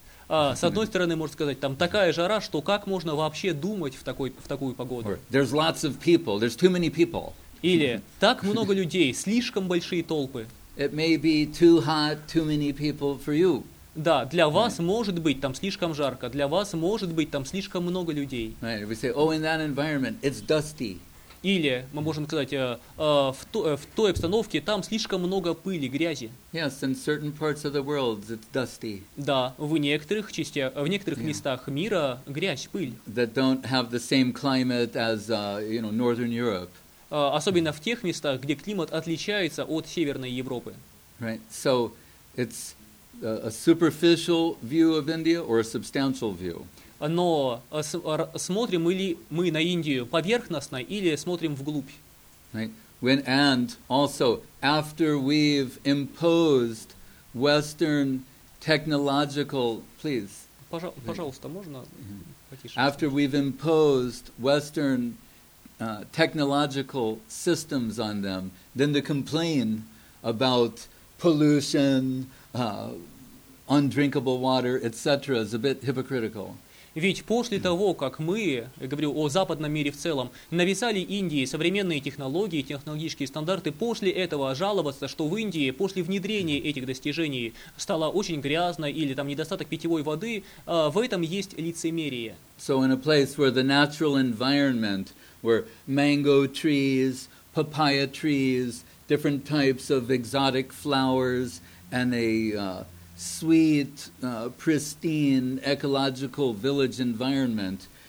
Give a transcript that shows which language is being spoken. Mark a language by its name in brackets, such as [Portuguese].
[Russian] С одной стороны, можно сказать, там такая жара, что как можно вообще думать в такую погоду? [English] Or, there's lots of people, there's too many people. [Russian] Или так много людей, слишком большие толпы. [English] It may be too hot, too many people for you. [Russian] Да, для вас right. может быть там слишком жарко, для вас может быть там слишком много людей. [English] Right. We say, oh, in that environment, it's dusty. [Russian] Или мы можем сказать, в той обстановке там слишком много пыли, грязи. [English] Yes, in certain parts of the world, it's dusty. [Russian] Да, в некоторых yeah. местах мира грязь, пыль. [English] That don't have the same climate as, you know, Northern Europe. [Russian] Особенно в тех местах, где климат отличается от Северной Европы. [English] Right, so it's a superficial view of India or a substantial view? [Russian] Но смотрим ли мы на Индию поверхностно или смотрим вглубь? [English] Right. When and also after we've imposed Western technological, please. [Russian] Пожалуйста, можно потише. [English] After we've imposed Western technological systems on them, then to complain about pollution, undrinkable water, etc., is a bit hypocritical. [Russian] Ведь после того, как мы, я говорю о западном мире в целом, навязали Индии современные технологии, технологические стандарты, после этого жаловаться, что в Индии после внедрения этих достижений стало очень грязно или там недостаток питьевой воды, в этом есть лицемерие. [English] So in a place where the natural environment, where mango trees, papaya trees, different types of exotic flowers, and a sweet, pristine, ecological village environment,